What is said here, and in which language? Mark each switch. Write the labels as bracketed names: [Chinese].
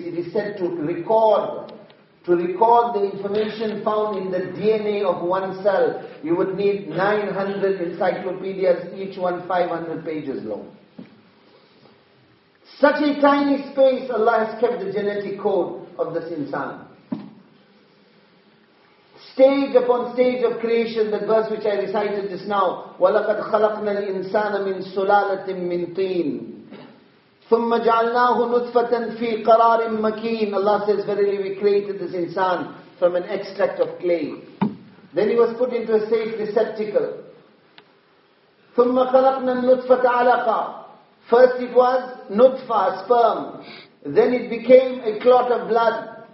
[English] It is said to record the information found in the DNA of one cell, you would need 900 encyclopedias, each one 500 pages long. Such a tiny space, Allah has kept the genetic code of this insan. Stage upon stage of creation, the verse which I recited just now, [Arabic] وَلَقَدْ خَلَقْنَا الْإِنسَانَ مِنْ سُلَالَةٍ مِنْ طِينٍ ثُمَّ جَعَلْنَاهُ نُطْفَةً فِي قَرَارٍ مَكِينٍ. [English] Allah says, verily we created this insan from an extract of clay. Then he was put into a safe receptacle. [Arabic] ثُمَّ خَلَقْنَا النُّطْفَةَ عَلَقًا. [English] First it was nutfa, sperm. Then it became a clot of blood.